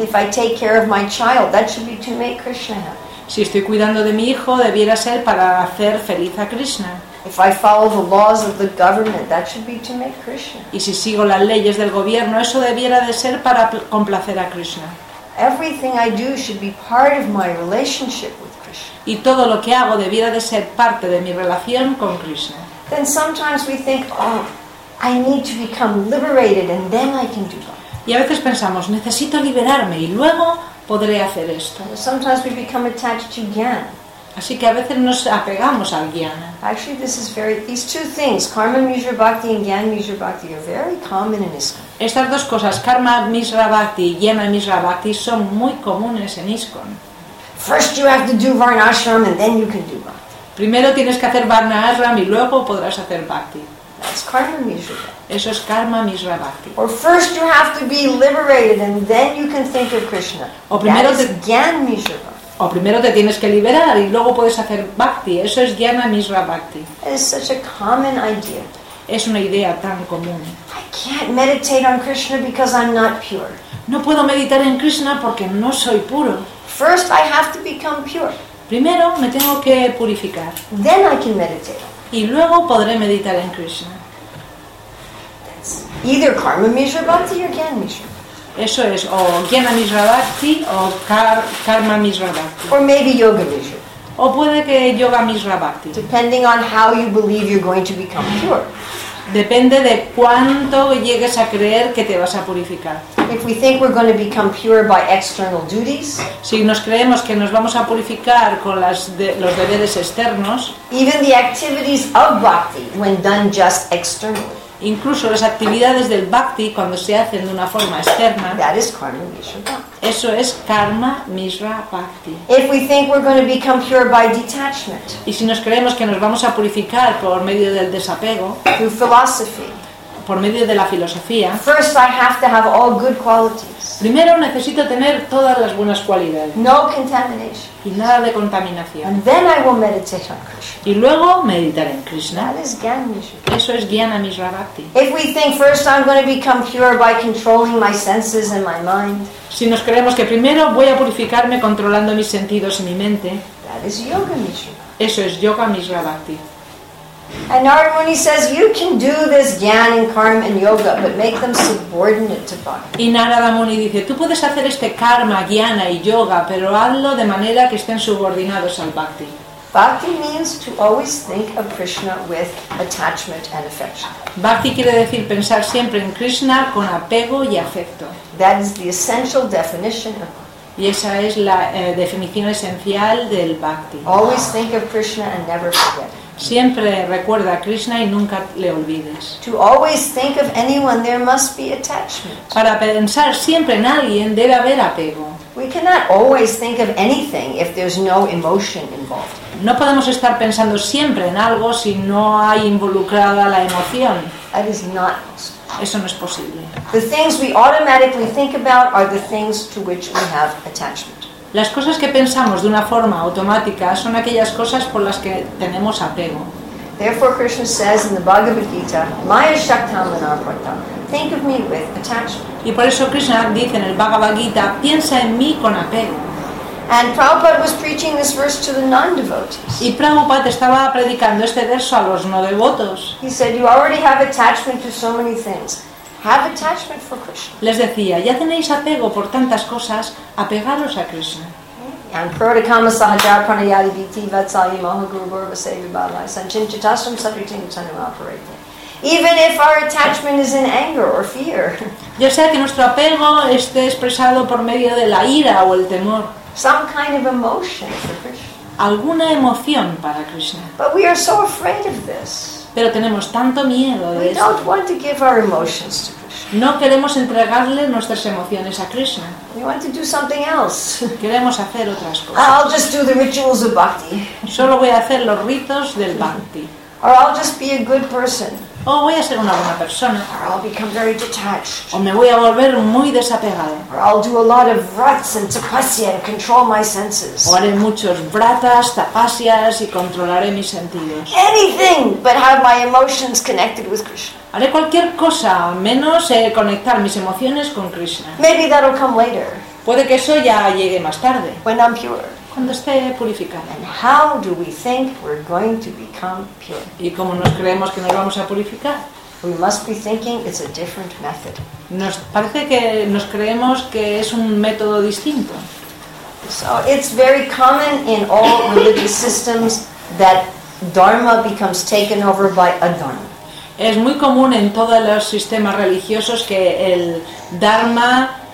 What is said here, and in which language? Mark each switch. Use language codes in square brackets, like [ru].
[en] If I take care of my child, that should be to make Krishna happy. [es] Si estoy cuidando de mi hijo, debiera ser para hacer feliz a Krishna. [en] If I follow the laws of the government, that should be to make Krishna. [es] Y si sigo las leyes del gobierno, eso debiera de ser para complacer a Krishna. [en] Everything I do should be part of my relationship with Krishna. [es] Y todo lo que hago debiera de ser parte de mi relación con Krishna. [en] then sometimes we think, oh, I need to become liberated and then I can do that. [es] Y a veces pensamos, necesito liberarme y luego podré hacer esto. [en] Sometimes we become attached to yin. [es] Así que a veces nos apegamos al yin. [en] Actually, this is very, these two things, karma misra bhakti and yin misra bhakti, are very common in ISKCON. [es] Estas dos cosas, karma misra bhakti y yin misra bhakti, son muy comunes en ISKCON. [en] First you have to do varnashram and then you can do bhakti. [es] Primero tienes que hacer varnashram y luego podrás hacer bhakti. [en] That's karma misra bhakti. [es] Eso es karma misra bhakti. [en] Or first you have to be liberated and then you can think of Krishna. [es] O primero [en] that is yin misra bhakti. [es] O primero te tienes que liberar y luego puedes hacer bhakti. Eso es jnana misra bhakti. [en] It's such a common idea. [es] Es una idea tan común. [en] I can't meditate on Krishna because I'm not pure. [es] No puedo meditar en Krishna porque no soy puro. [en] First I have to become pure. [es] Primero me tengo que purificar. [en] Then I can meditate. [es] Y luego podré meditar en Krishna. [en] That's either karma misra bhakti or jnana misra bhakti. [es] Eso es, o jnana misra bhakti o karma misra bhakti. [en] Or maybe yoga misra. [es] O puede que yoga misra bhakti. [en] Depending on how you believe you're going to become pure. [es] Depende de cuánto llegues a creer que te vas a purificar. [en] If we think we're going to become pure by external duties. [es] Si nos creemos que nos vamos a purificar con los deberes externos. [en] Even the activities of bhakti when done just externally. [es] Incluso las actividades del bhakti cuando se hacen de una forma externa. [en] That is karma misra bhakti. [es] Eso es karma misra bhakti. [en] If we think we're going to become pure by detachment. [es] Y si nos creemos que nos vamos a purificar por medio del desapego. [en] Through philosophy. [es] Por medio de la filosofía. [en] First I have to have all good qualities. [es] Primero necesito tener todas las buenas cualidades. [en] No contamination. [es] Y nada de contaminación. [en] And then I will meditate on Krishna. [es] Y luego meditar en Krishna. [en] That is jnana misra. [es] Eso es jnana misra bhakti. [en] If we think first I'm going to become pure by controlling my senses and my mind. [es] Si nos creemos que primero voy a purificarme controlando mis sentidos y mi mente. [en] That is yoga misra. [es] Eso es yoga misra bhakti. [en] And Narada Muni says you can do this jnana and karma and yoga, but make them subordinate to bhakti. [es] Y Narada Muni dice, tú puedes hacer este karma, jnana y yoga, pero hazlo de manera que estén subordinados al bhakti. [en] Bhakti means to always think of Krishna with attachment and affection. [es] Bhakti quiere decir pensar siempre en Krishna con apego y afecto. [en] That is the essential definition of bhakti. [es] Y esa es la definición esencial del bhakti. [en] Always think of Krishna and never forget. [es] Siempre recuerda a Krishna y nunca le olvides. [en] To always think of anyone, there must be attachment. [es] Para pensar siempre en alguien debe haber apego. [en] We cannot always think of anything if there's no emotion involved. [es] No podemos estar pensando siempre en algo si no hay involucrada la emoción. [en] That is not. [es] Eso no es posible. [en] The things we automatically think about are the things to which we have attachment. [es] Las cosas que pensamos de una forma automática son aquellas cosas por las que tenemos apego. [en] Therefore Krishna says in the Bhagavad Gita, Maya Shaktam Anarpata, think of me with attachment. [es] Y por eso Krishna dice en el Bhagavad Gita, piensa en mí con apego. [en] And Prabhupada was preaching this verse to the non-devotees. [es] Y Prabhupada estaba predicando este verso a los no devotos. [en] He said, you already have attachment to so many things. Have attachment for Krishna. [es] Les decía, ya tenéis apego por tantas cosas, apegaros a Krishna. And Prada Kama Sahajara Pranayati Viti Vatsayi Mahaguru Gurva Sevi Bhavai Sanchin Chitastram Sadhutin Tanam Operating. [en] Even if our attachment is in anger or fear. [es] Ya sea que nuestro apego esté expresado por medio de la ira o el temor. [en] Some kind of emotion for Krishna. [es] Alguna emoción para Krishna. [en] But we are so afraid of this. [es] Pero tenemos tanto miedo de [en] we [es] esto. [en] Don't want to give our emotions to Krishna. [es] No queremos entregarle nuestras emociones a Krishna. [en] We want to do something else. [es] Queremos hacer otras cosas. [en] I'll just do the rituals of bhakti. [es] Solo voy a hacer los ritos del bhakti. [en] Or I'll just be a good person. [es] O voy a ser una buena persona. [en] Or I'll become very detached. [es] O me voy a volver muy desapegado. [en] Or I'll do a lot of vrats and tapasya and control my senses. [es] O haré muchos vratas, tapasyas y controlaré mis sentidos. [en] Anything but have my emotions connected with Krishna. [es] Haré cualquier cosa menos conectar mis emociones con Krishna. [en] Maybe that'll come later. [es] Puede que eso ya llegue más tarde. [en] When I'm pure. [es] Cuando esté purificada. [en] And how do we think we're going to become pure? [es] ¿Y cómo nos creemos que nos vamos a purificar? [en] We must be thinking it's a different method. [es] Nos parece que nos creemos que es un método distinto. [en] So it's very common in all religious systems that dharma becomes taken over by adharma. [es] Es muy común en todos los sistemas religiosos que el dharma